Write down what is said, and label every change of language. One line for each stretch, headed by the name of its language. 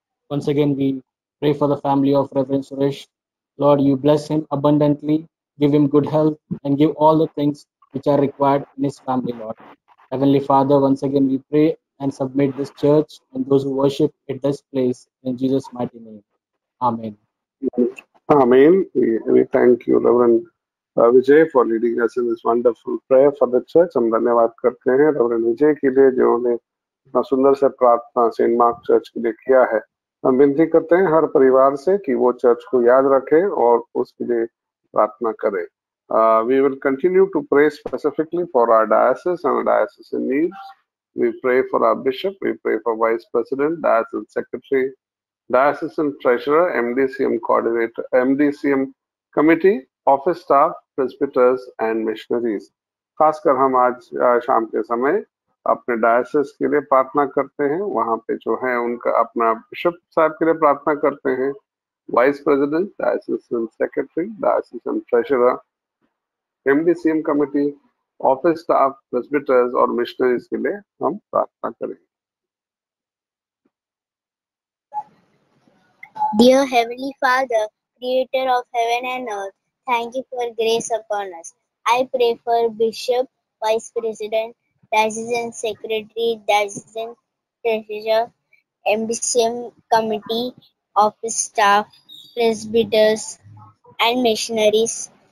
English: Once again, we pray for the family of Reverend Suresh. Lord, you bless him abundantly, give him good health, and give all the things which are required in his family, Lord. Heavenly Father, once again, we pray and submit this church and those who worship at this place in Jesus' mighty name. Amen. Amen. We thank you, Reverend Vijay, for leading us in this wonderful prayer for the church.
Hindi: हम धन्यवाद करते हैं reverend विजय के लिए जिन्होंने इतना सुंदर से प्रार्थना सेंट मार्क चर्च के लिए किया है. हम विनती करते हैं हर परिवार से कि वो चर्च को याद रखें और उसके लिए प्रार्थना करें.
English: We will continue to pray specifically for our diocese and our diocesan needs. We pray for our bishop, we pray for vice president, diocesan secretary, diocesan treasurer, MDCM coordinator, MDCM committee, office staff, presbyters, and missionaries.
Hindi: खासकर हम आज शाम के समय अपने diocese के लिए प्रार्थना करते हैं. वहाँ पे जो है उनका अपना बिशप साहब के लिए प्रार्थना करते हैं, vice president, डायसेसन secretary, डायसेसन treasurer, एमडीसीएम committee, office staff, प्रेसबिटर्स और मिशनरीज के लिए हम प्रार्थना करेंगे.
English: Dear Heavenly Father, Creator of heaven and earth, thank you for grace upon us. I pray for Bishop, Vice President, Diocesan Secretary, Diocesan Treasurer, MDCM Committee, Office Staff, Presbyters, and Missionaries.